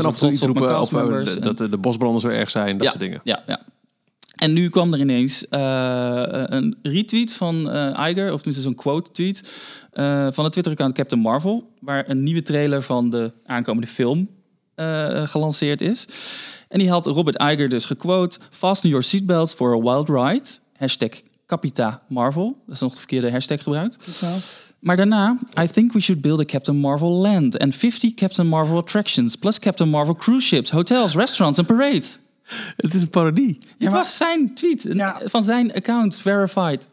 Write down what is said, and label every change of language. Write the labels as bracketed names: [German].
[Dutch] en af en toe iets roepen over dat de bosbranden zo erg zijn, dat soort dingen. Ja. En nu kwam er ineens een retweet van Iger, of tenminste zo'n quote-tweet, van de Twitter-account Captain Marvel, waar een nieuwe trailer van de aankomende film gelanceerd is. En die had Robert Iger dus gequote, [English] fasten your seatbelts for a wild ride. Hashtag Capita Marvel. [Dutch] Dat is nog de verkeerde hashtag gebruikt. Maar daarna, [English] I think we should build a Captain Marvel land and 50 Captain Marvel attractions plus Captain Marvel cruise ships, hotels, restaurants [Dutch] en parades. Het is een parodie. Was zijn tweet. Van zijn account, verified.